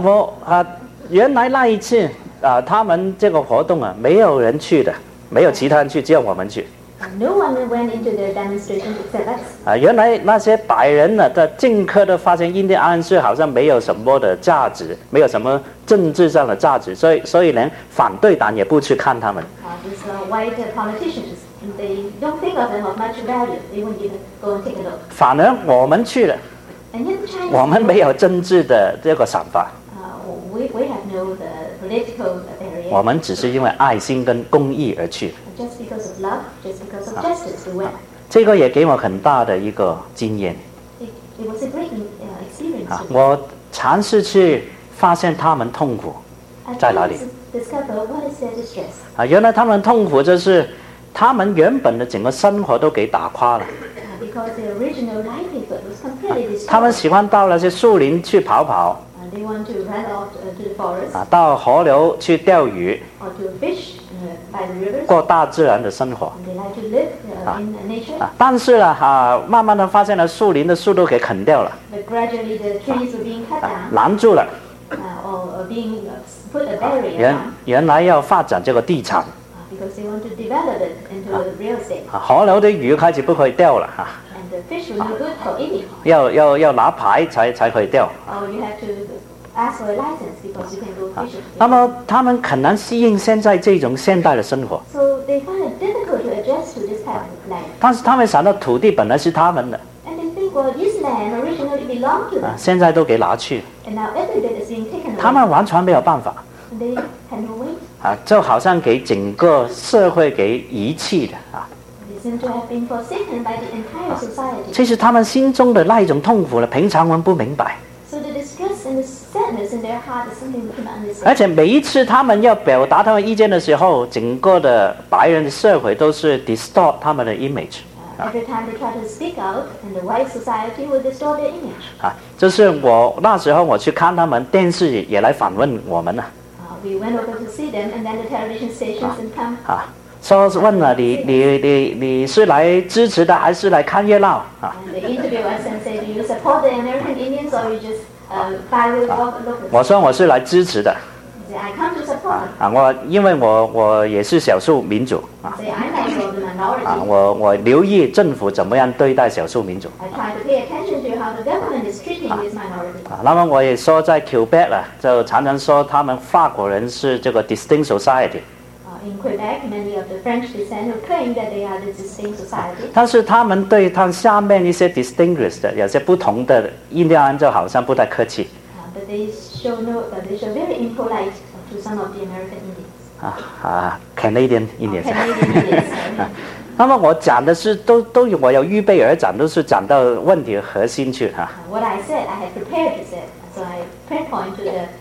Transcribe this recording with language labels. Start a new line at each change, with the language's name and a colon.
Chinese: 后原来那一次他们这个活动没有人去的，没有其他人去，只有我们去。
English: No one went into their demonstration except us.
Chinese: 原来那些白人的政客都发现印第安是好像没有什么的价值，没有什么政治上的价值，所以连反对党也不去看他们。
English: White politicians. They don't think of them of much value. They won't even go and take a look.
Chinese: 反而我们去了。
English: And yet the Chinese.
Chinese: 我们没有政治的这个想法。
English: We have no the political barrier.
Chinese: 我们只是因为爱心跟公义而去。
English: Just because of love, just because of justice, we went.
Chinese: 这个也给我很大的一个经验。
English: It was a great experience.
Chinese: 我尝试去发现他们痛苦在哪里。
English: Discover what is their distress.
Chinese: 原来他们痛苦就是。他们原本的整个生活都给打垮了。
English: Because their original livelihood was completely destroyed.
Chinese: 他们喜欢到那些树林去跑跑。
English: They want to run off to the forest.
Chinese: 到河流去钓鱼。
English: Or to fish by the rivers.
Chinese: 过大自然的生活。
English: They like to live in nature.
Chinese: 但是呢慢慢的发现了树林的树都给砍掉了。
English: But gradually the trees were being cut down.
Chinese: 拦住了。
English: Or being put a barrier.
Chinese: 原来要发展这个地产。
English: Because they want to develop it into a real estate.
Chinese: 河流的鱼开始不可以钓了。
English: And the fish will look good for eating.
Chinese: 要拿牌才可以钓。
English: Oh, you have to ask for a license because you can go fishing.
Chinese: 那么他们很难适应现在这种现代的生活。
English: So they find it difficult to adjust to this type of land.
Chinese: 但是他们想到土地本来是他们的。
English: And they think, well, this land originally belonged to them.
Chinese: 现在都给拿去。
English: And now every bit is being taken away.
Chinese: 他们完全没有办法。
English: They had no way.
Chinese: 就好像给整个社会给遗弃的
English: They seem to have been forsaken by the entire society.
Chinese: 其实他们心中的那一种痛苦呢，平常我们不明白。
English: So the distress and the sadness we is in their heart is something we cannot understand.
Chinese: 而且每一次他们要表达他们意见的时候，整个的白人的社会都是 distort 他们的 image。
English: Every time they try to speak out, and the white society will distort their image.
Chinese: 啊，就是我那时候我去看他们，电视也来访问我们了。
English: We went over to see them, and then the television stations and come. 啊。
Chinese: 说问了你是来支持的还是来看热闹啊？
English: And the interviewer said, "Do you support the American Indians or you just buy with locals?"
Chinese: 我说我是来支持的。
English: I come to support.
Chinese: 啊，因为我也是少数民族啊。
English: So I'm also the minority.
Chinese: 啊，我留意政府怎么样对待少数民族。
English: I try to pay attention to how the government is treating this minority.
Chinese: 那么我也说在 Quebec 了，就常常说他们法国人是这个
English: distinct society。 In Quebec, many of the French descent who claim that they are the distinct society.
Chinese: 但是他们对他下面一些 distinguished 的有些不同的印第安人就好像不太客气。
English: But they show no, they show very impolite to some of the American Indians. Canadian Indians. Canadian Indians.
Chinese: 那么我讲的是都我有预备而讲，都是讲到问题核心去哈。
English: What I said, I had prepared to say, so I pinpoint to the.